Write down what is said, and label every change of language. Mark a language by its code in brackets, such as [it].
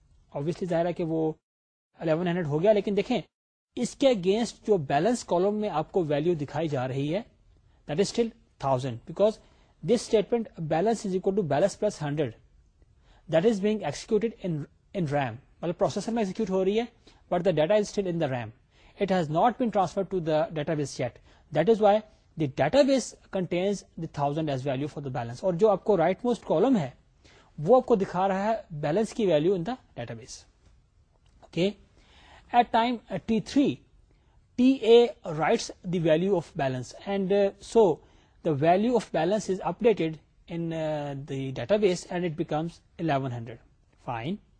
[ur] Obviously ظاہر ہے کہ وہ 1100 ہو گیا, لیکن دیکھیں اس کے اگینسٹ جو بیلنس کالم میں آپ کو ویلو دکھائی جا رہی ہے [en] that is still 1000 because this statement balance is equal to balance plus 100 that is being executed in RAM, [ur] مطلب پروسیسر میں ایکزیکیوٹ ہو رہی ہے. [en] But the data is still in the RAM. It has not been transferred to the database yet. That is why the database contains the 1000 as value for the balance. [ur] اور جو آپ کو right most column ہے وہ آپ کو دکھا رہا ہے بیلنس کی value [en] In the database. Okay at time T three T A writes the value of balance and so the value of balance is updated in the database and it becomes 1100. Fine.